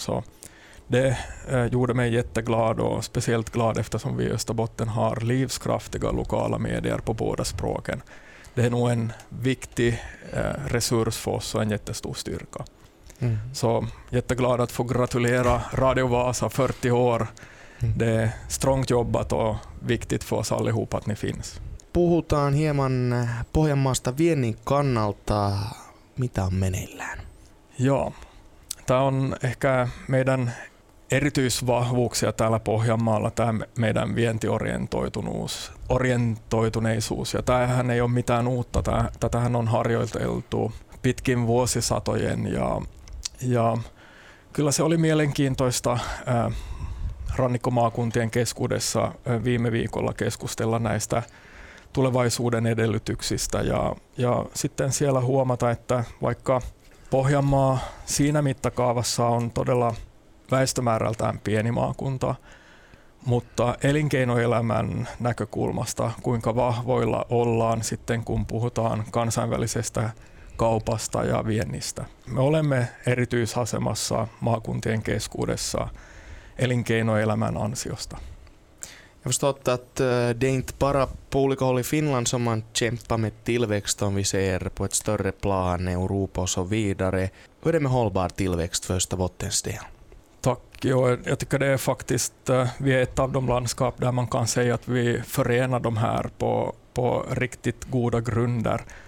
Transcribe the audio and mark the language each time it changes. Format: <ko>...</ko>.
<sv>Så det gjorde mig jätteglad och speciellt glad eftersom vi i Österbotten har livskraftiga lokala medier på båda språken. Det är nog en viktig resurs för oss och en jättestor styrka. Mm. Så jätteglad att få gratulera Radio Vasa 40 år. Mm. Det är strångt jobbat och viktigt för oss allihopa att ni finns.</sv> <fi>Puhutaan hieman Pohjanmaasta viennin kannalta. Mitä on meneillään? Joo. Tämä on ehkä meidän erityisvahvuuksia täällä Pohjanmaalla, tämä meidän vientiorientoituneisuus. Ja tämähän ei ole mitään uutta, tätähän on harjoiteltu pitkin vuosisatojen. Ja kyllä se oli mielenkiintoista rannikkomaakuntien keskuudessa viime viikolla keskustella näistä tulevaisuuden edellytyksistä. Ja sitten siellä huomata, että vaikka Pohjanmaa siinä mittakaavassa on todella väestömäärältään pieni maakunta, mutta elinkeinoelämän näkökulmasta, kuinka vahvoilla ollaan sitten, kun puhutaan kansainvälisestä kaupasta ja viennistä. Me olemme erityisasemassa maakuntien keskuudessa elinkeinoelämän ansiosta.</fi> <sv>Jag förstår att det är inte bara på olika håll i Finland som man kämpar med tillväxt om vi ser på ett större plan, Europa och så vidare. Hur är det med hållbar tillväxt för Österbottens del? Tack. Jag tycker det är faktiskt, vi är ett av de landskap där man kan säga att vi förenar de här på riktigt goda grunder.</sv>